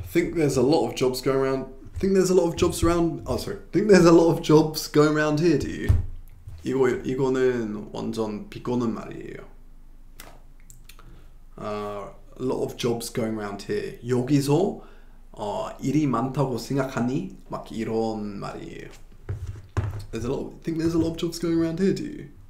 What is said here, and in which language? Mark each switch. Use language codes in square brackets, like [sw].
[en] Think there's a lot of jobs going around. Think there's a lot of jobs going around here, do you? [ko] 이거는 완전 비꼬는 말이에요. [en] A lot of jobs going around here. [ko] 여기서 일이 많다고 생각하니? 막 이런 말이에요. [en] Think there's a lot of jobs going around here, do you?